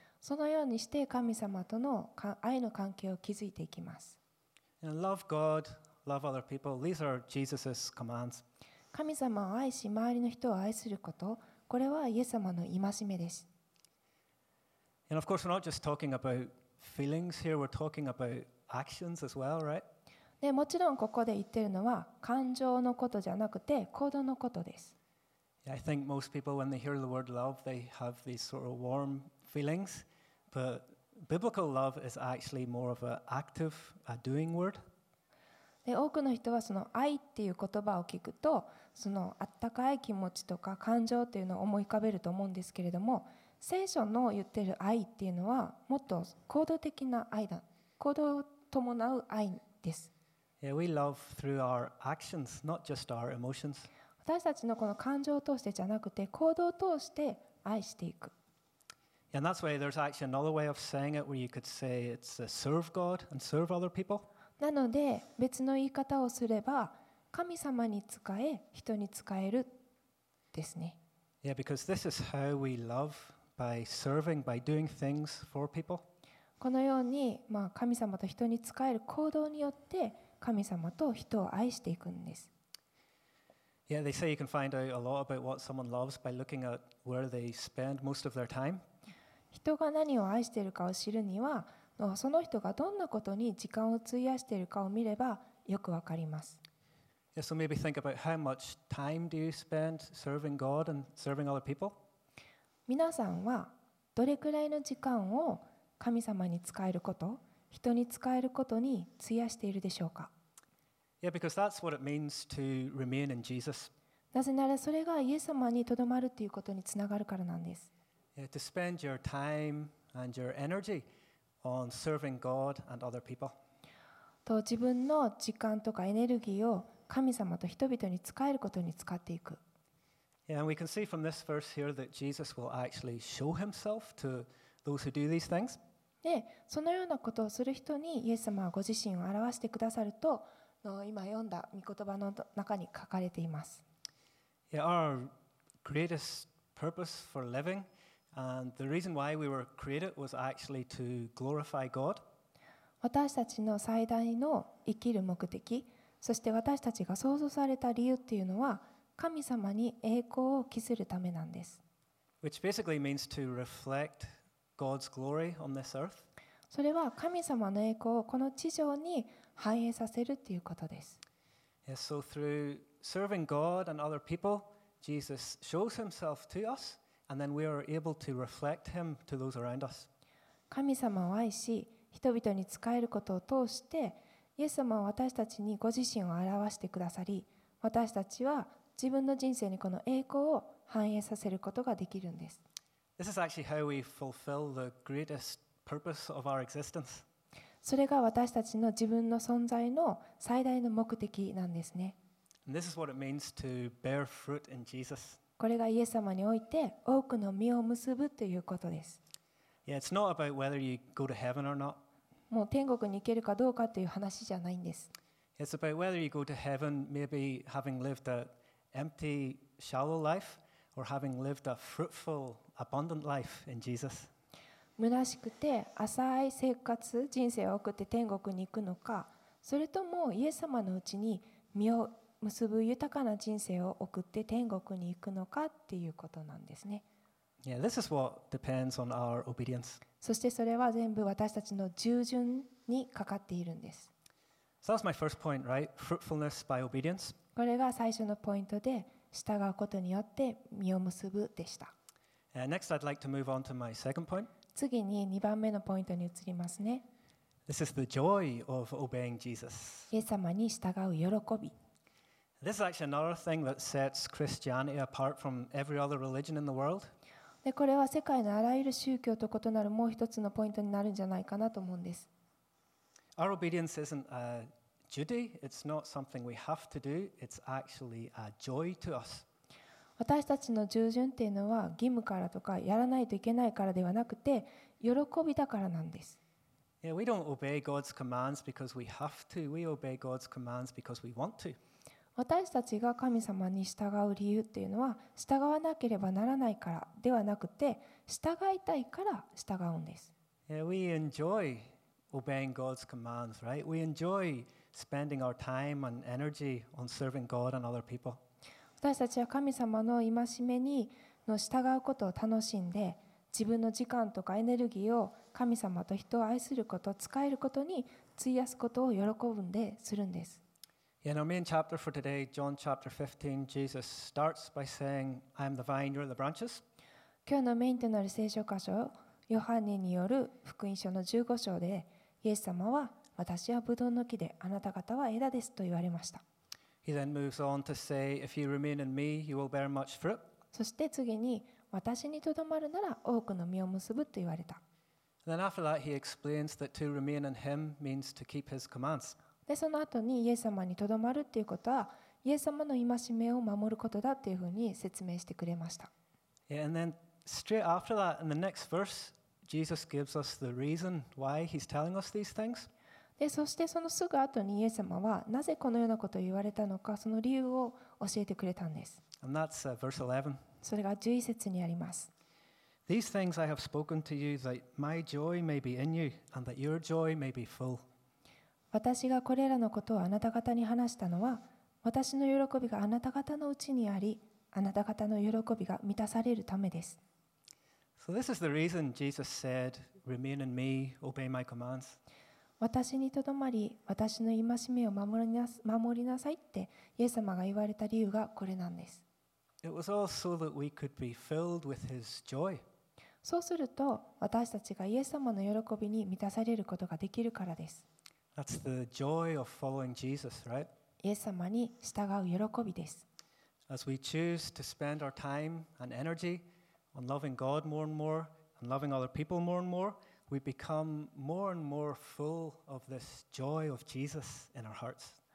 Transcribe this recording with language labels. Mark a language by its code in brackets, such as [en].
[ja] そのようにして神様との愛の関係を築いていきます。 [en] And love God. Love other people. These are Jesus's commands. [ja] 神様を愛し周りの人を愛すること、これはイエス様の戒めです。 [en] And of course, we're not just talking about feelings here. We're talking about actions as well, right? [ja] で、もちろんここで言ってるのは感情のことじゃなくて行動のことです。 [en] I think most people, when they hear the word love, they have these sort of warm feelings. But biblical love is actually more of an active, a doing word. [ja] で多くの人はその愛っていう言葉を聞くとそのあったかい気持ちとか感情っていうのを思い浮かべると思うんですけれども聖書の言ってる愛っていうのはもっと行動的な愛だ行動を伴う愛です [en] Yeah, we love through our actions, not just our emotions. [ja] 私たちのこの感情を通してじゃなくて行動を通して愛していく [en] Yeah, and that's why there's actually another way of saying it where you could say it's serve God and serve other people [ja] なので別の言い方をすれば神様に仕え人に仕えるですね。 [en] Yeah, because this is how we love by serving by doing things for people. [ja] このように、神様と人に仕える行動によって神様と人を愛していくんです。 [en] Yeah, they say you can find out a lot about what someone loves by looking at where they spend most of their time. [ja] 人が何を愛しているかを知るには。その人がどんなことに時間を費やしているかを見ればよくわかります。 [en] Yeah, so maybe think about how much time do you spend serving God and serving other people? [ja] 皆さんはどれくらいの時間を神様に使えること、人に使えることに費やしているでしょうか? [en] Yeah, because that's what it means to remain in Jesus. [ja] なぜならそれがイエス様にとどまるということにつながるからなんです。 [en] Yeah, to spend your time and your energy. On serving God and other people. [ja] と自分の時間とかエネルギーを神様と人々に使えることに使っていく。 [en] Yeah, and we can see from this verse here that Jesus will actually show himself to those who do these things. [ja] で、そのようなことをする人にイエス様はご自身を表してくださると、今読んだ御言葉の中に書かれています。 [en] Yeah, our greatest purpose for living, and the reason why we were created was actually to glorify God. [ja] 私たちの最大の生きる目的、そして私たちが創造された理由っていうのは、神様に栄光を期するためなんです。 [en] Which basically means to reflect God's glory on this earth. [ja] それは神様の栄光をこの地上に反映させるっていうことです。 [en] Yes, so through serving God and other people, Jesus shows himself to us, and then we are able to reflect him to those around us. [ja] 神様を愛し、人々に仕えることを通して、イエス様は私たちにご自身を表してくださり、私たちは自分の人生にこの栄光を反映させることができるんです。 [en] This is actually how we fulfill the greatest purpose of our existence. [ja] それが私たちの自分の存在の最大の目的なんですね。 [en] And this is what it means to bear fruit in Jesus. [ja] これがイエス様において多くの実を結ぶということです。 [en] Yeah, it's not about whether you go to heaven or not. [ja] もう天国に行けるかどうかという話じゃないんです。 [en] It's about whether you go to heaven, maybe having lived an empty, shallow life, or having lived a fruitful, abundant life in Jesus. [ja] 虚しくて浅い生活、人生を送って天国に行くのか、それともイエス様のうちに実を結ぶ豊かな人生を送って天国に行くのかっていうことなんですね。 [en] Yeah, this is what depends on our obedience. [ja] そしてそれは全部私たちの従順にかかっているんです。 [en] So that's my first point, right? Fruitfulness by obedience. [ja] これが最初のポイントで、従うことによって実を結ぶでした。 [en] Next, I'd like to move on to my second point. [ja] 次に2番目のポイントに移りますね。 [en] This is the joy of obeying Jesus. [ja] イエス様に従う喜び。 [en] This is actually another thing that sets Christianity apart from every other religion in the world. [ja] でこれは世界のあらゆる宗教と異なるもう一つのポイントになるんじゃないかなと思うんです。 [en] Our obedience isn't a duty. It's not something we have to do. It's actually a joy to us. [ja] 私たちの従順っていうのは義務からとかやらないといけないからではなくて喜びだからなんです。 [en] Yeah, we don't obey God's commands because we have to. We obey God's commands because we want to. [ja] 私たちが神様に従う理由っていうのは従わなければならないからではなくて従いたいから従うんです。 [en] Yeah, we enjoy obeying God's commands, right? We enjoy spending our time and energy on serving God and other people. [ja] 私たちは神様の戒めにの従うことを楽しんで自分の時間とかエネルギーを神様と人を愛すること、使えることに費やすことを喜ぶんでするんです。 [en] In our main chapter for today, John chapter 15, Jesus starts by saying, I am the vine, you are the branches. [ja] 今日のメインとなる聖書箇所、ヨハネによる福音書の15章で、イエス様は私はブドウの木で、あなた方は枝ですと言われました。 [en] He then moves on to say, if you remain in me, you will bear much fruit. [ja] そして次に、私にとどまるなら多くの実を結ぶと言われた。 [en] Then after that, he explains that to remain in him means to keep his commands. [ja] でその後にイエス様にとどまるっていうことはイエス様の戒めを守ることだっていうふうに説明してくれました。 [en] Yeah, and then straight after that, in the next verse, Jesus gives us the reason why he's telling us these things. [ja] でそしてそのすぐ後にイエス様はなぜこのようなことを言われたのかその理由を教えてくれたんです。 [en] And that's verse 11. [ja] それが11節にあります。 [en] These things I have spoken to you that my joy may be in you and that your joy may be full. [ja] 私がこれらのことをあなた方に話したのは、私の喜びがあなた方のうちにあり、あなた方の喜びが満たされるためです。 [en] So this is the reason Jesus said, remain in me, obey my commands. [ja] 私にとどまり、私の戒めを守りなさいって、イエス様が言われた理由がこれなんです。 [en] It was all so that we could be filled with his joy. [ja] そうすると、私たちがイエス様の喜びに満たされることができるからです。 [en] That's the joy of following Jesus, right? [ja] イエス様に従う喜びです。 [en] As we choose to spend our time and energy on loving God more and more and loving other people more and more, we become more and more full of this joy of Jesus in our hearts.